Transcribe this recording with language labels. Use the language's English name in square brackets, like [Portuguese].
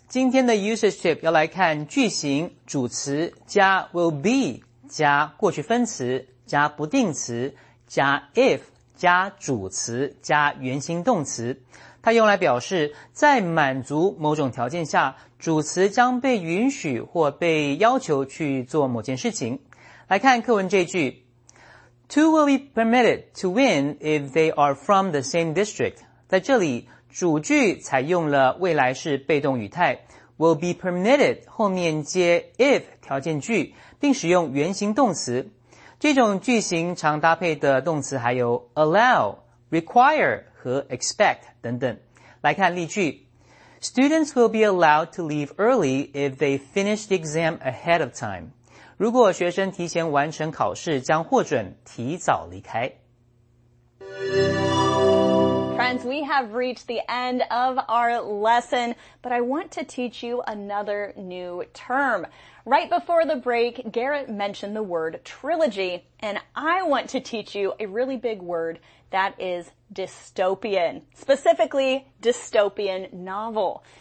[Chinese] 今天的 usage tip 要来看句型主词加 will be 加过去分词加不定词加 if 加主词加原形动词。它用来表示在满足某种条件下，主词将被允许或被要求去做某件事情。来看课文这句 [English] ,Two will be permitted to win if they are from the same district. [Chinese] 在这里主句采用了未来式被动语态 ,will be permitted 后面接 if 条件句并使用原形动词。这种句型常搭配的动词还有 allow, require, 和 expect 等等。来看例句 [English] ,Students will be allowed to leave early if they finish the exam ahead of time. [Chinese] 如果学生提前完成考试将获准提早离开。 [English] Friends, we have reached the end of our lesson, but I want to teach you another new term. Right before the break, Garrett mentioned the word trilogy, and I want to teach you a really big word that is dystopian, specifically dystopian novel.